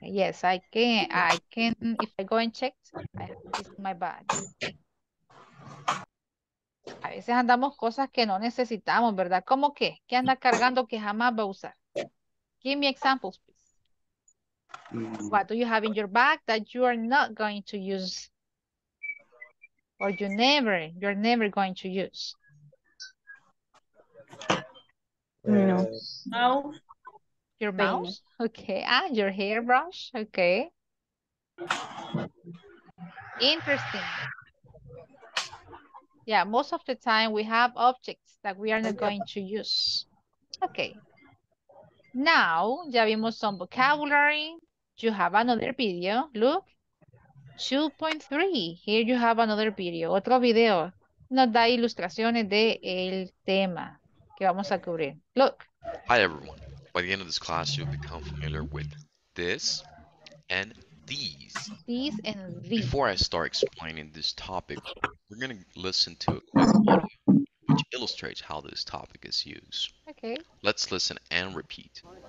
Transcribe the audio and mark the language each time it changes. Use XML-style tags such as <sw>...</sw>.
<en>Yes, I can, if I go and check, I have this in my bag.</en> <es>A veces andamos cosas que no necesitamos, ¿verdad? ¿Cómo qué? ¿Qué anda cargando que jamás va a usar?</es> <en>Give me examples, please. What do you have in your bag that you are not going to use? Or you're never going to use? No. Your mouse? Okay. Ah, your hairbrush? Okay. Interesting. Yeah, most of the time we have objects that we are not going to use. Okay. Now,</en> <es>ya vimos</es> <en>some vocabulary. You have another video. Look. 2.3. Here you have another video.</en> <es>Otro video. Nos da ilustraciones de el tema que vamos a cubrir.</es> <en>Look. Hi, everyone. By the end of this class, you'll become familiar with this and these and these. Before I start explaining this topic, we're going to listen to a quick audio which illustrates how this topic is used. Okay. Let's listen and repeat.</en>